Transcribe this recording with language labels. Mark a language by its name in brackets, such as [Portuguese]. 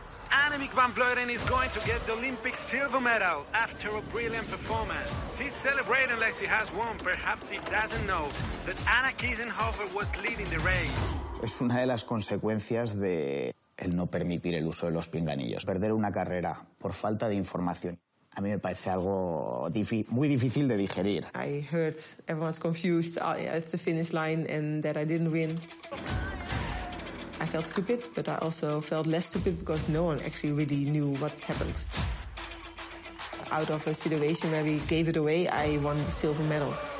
[English] Annemiek van Vleuten is going to get the Olympic silver medal after a brilliant performance. She's celebrating like she has won. Perhaps she doesn't know that Anna Kiesenhofer was leading the race. [Spanish] Es una de las consecuencias de el no permitir el uso de los pinganillos. Perder una carrera por falta de información, a mí me parece algo muy difícil de digerir. [English] I heard everyone's confused at the finish line and that I didn't win. I felt stupid, but I also felt less stupid because no one actually really knew what happened. Out of a situation where we gave it away, I won the silver medal.